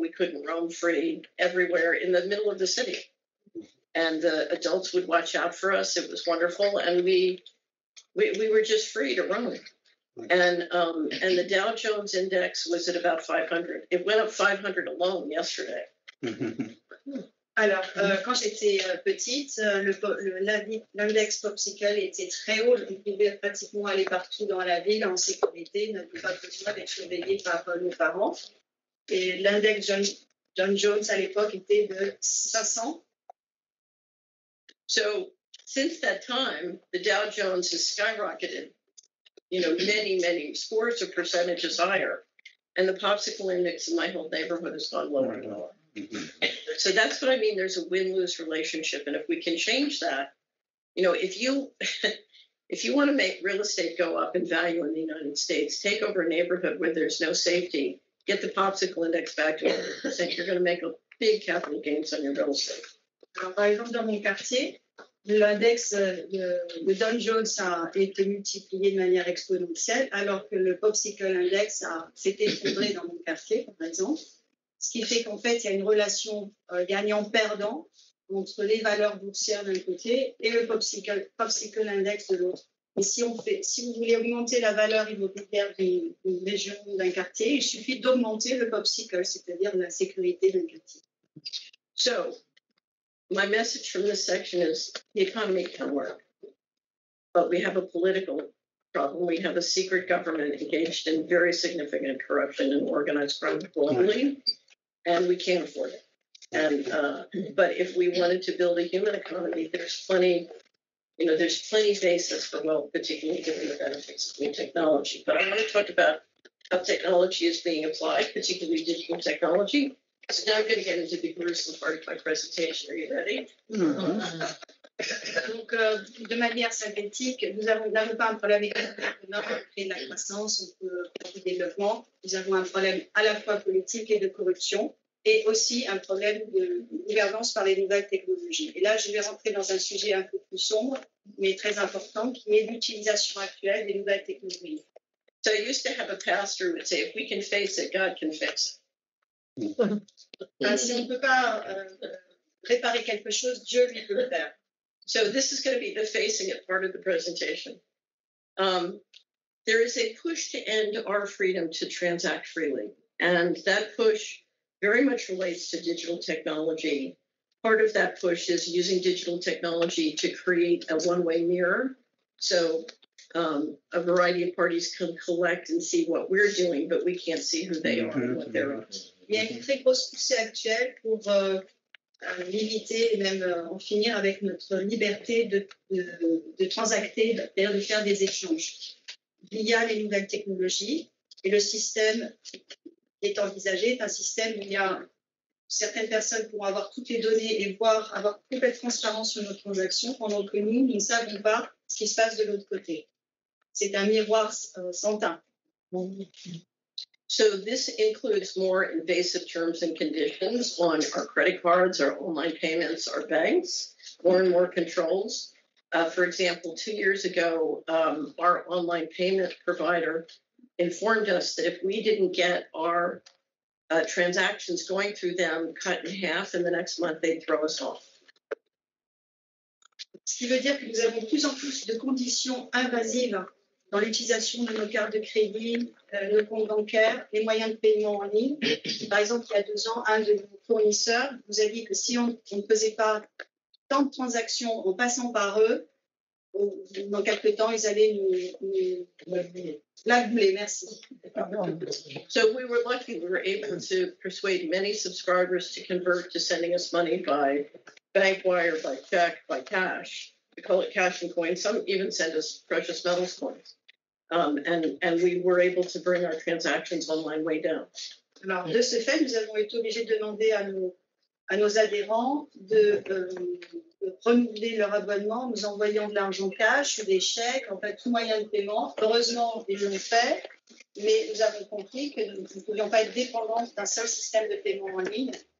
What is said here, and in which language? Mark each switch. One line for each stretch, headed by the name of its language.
English: We couldn't roam free everywhere in the middle of the city. And the adults would watch out for us. It was wonderful. And we were just free to roam. And the Dow Jones Index was at about 500. It went up 500 alone yesterday.
French: Alors, quand j'étais petite, l'index Popsicle était très haut. On pouvait pratiquement aller partout dans la ville en sécurité, n'avait pas besoin d'être surveillé par nos parents. Et l'index John Jones à l'époque était de 500.
English: So, since that time, the Dow Jones has skyrocketed, you know, many, many scores of percentages higher. And the Popsicle Index in my whole neighborhood has gone lower and lower. So that's what I mean. There's a win-lose relationship, and if we can change that, you know, if you want to make real estate go up in value in the United States, take over a neighborhood where there's no safety, get the Popsicle Index back to 100%, you're going to make a big capital gains on your real estate.
French: Alors, par exemple, dans mon quartier, l'index de Dow Jones a été multiplié de manière exponentielle, alors que le Popsicle Index s'est effondré dans mon quartier, par exemple. Ce qui fait qu'en fait, il y a une relation gagnant-perdant entre les valeurs boursières d'un côté et le Popsicle Index de l'autre. Et si vous voulez augmenter la valeur immobilière d'une région ou d'un quartier, il suffit d'augmenter le Popsicle, c'est-à-dire la sécurité d'un quartier.
English: So, my message from this section is the economy can work. But we have a political problem. We have a secret government engaged in very significant corruption and organized crime globally. And we can't afford it. But if we wanted to build a human economy, there's plenty basis for wealth, particularly given the benefits of new technology. But I want to talk about how technology is being applied, particularly digital technology. So now I'm going to get into the gruesome part of my presentation. Are you ready? Mm-hmm.
French: Donc, de manière synthétique, nous avons un problème avec la croissance, on peut le développement. Nous avons un problème à la fois politique et de corruption, et aussi un problème de gouvernance par les nouvelles technologies. Et là, je vais rentrer dans un sujet un peu plus sombre, mais très important, qui est l'utilisation actuelle des nouvelles technologies.
English: So I used to have a pastor who would say, if we can face it, God can fix it.
French: Si on ne peut pas réparer quelque chose, Dieu lui peut le faire.
English: So this is going to be the facing it part of the presentation. There is a push to end our freedom to transact freely. And that push very much relates to digital technology. Part of that push is using digital technology to create a one-way mirror. So a variety of parties can collect and see what we're doing, but we can't see who they are and what they're up to.
French: Il y a une très grosse poussée actuelle pour limiter et même en finir avec notre liberté de transacter, d'ailleurs de faire des échanges via les nouvelles technologies. Et le système qui est envisagé est un système où il y a certaines personnes pourront avoir toutes les données et voir, avoir complète transparence sur nos transactions, pendant que nous, nous ne savons pas ce qui se passe de l'autre côté. C'est un miroir sans teint.
English: So this includes more invasive terms and conditions on our credit cards, our online payments, our banks, more and more controls. For example, 2 years ago, our online payment provider informed us that if we didn't get our transactions going through them cut in half in the next month, they'd throw us off.
French: Ce qui veut dire que nous avons de plus en plus de conditions invasives dans l'utilisation de nos cartes de crédit, nos comptes bancaires, les moyens de paiement en ligne. Par exemple, il y a 2 ans, un de nos fournisseurs nous a dit que si on ne faisait pas tant de transactions en passant par eux, dans quelques temps, ils allaient nous la bouler. Merci.
English: So we were lucky, we were able to persuade many subscribers to convert to sending us money by bank wire, by check, by cash. We call it cash and coins. Some even send us precious metals coins. And we were able to bring our transactions online way down.
French: Alors, de ce fait, nous avons été obligés de demander à nos adhérents de renouveler leur abonnement en nous envoyant de l'argent cash, des chèques, en fait, tout moyen de paiement. Heureusement, ils l'ont fait, mais nous avons compris que nous ne pouvions pas être dépendants d'un seul système de paiement en ligne.